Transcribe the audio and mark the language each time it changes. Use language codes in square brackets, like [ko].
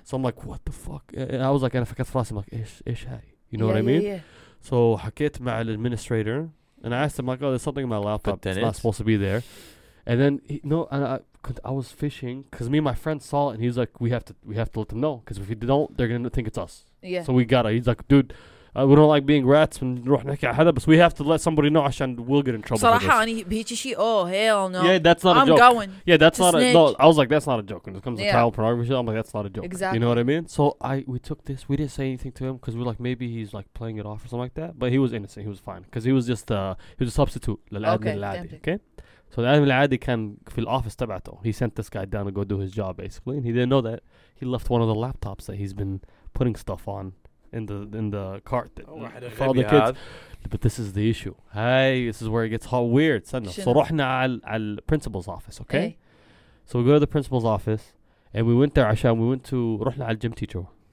[en] so I'm like what the fuck and I was like [ar] انا فكرت فراسي [en] I'm like [ar] ايش هاي [en] you know what I mean so [ar] حكيت مع الadministrator [en] and I asked him like oh there's something in my laptop it's not supposed to be there And then I was fishing because me and my friend saw it and he's like we have to let them know because if you don't they're gonna think it's us yeah so we gotta he's like dude we don't like being rats and [ar] نروح نحكي على هذا [en] but we have to let somebody know [ar] عشان [en] we'll get in trouble [ar] صراحة أنا بهيك شيء [en] oh hell no yeah that's not I'm a joke I'm going yeah that's not snitch. A no I was like that's not a joke when it comes to child pornography I'm like that's not a joke exactly you know what I mean so we took this we didn't say anything to him because we're like maybe he's like playing it off or something like that but he was innocent he was fine because he was a substitute okay. So the admin [ar] العادي كان في الأوفيس تبعته. [en] He sent this guy down to go do his job basically, and he didn't know that he left one of the laptops that he's been putting stuff on in the cart that for all the kids. But this is the issue. Hey, this is where it gets all weird. So [ar] رحنا على [en] principal's office, okay? So we go to the principal's office, and we went there [ar] عشان [en] we went to [ar] رحنا على [en] gym teacher.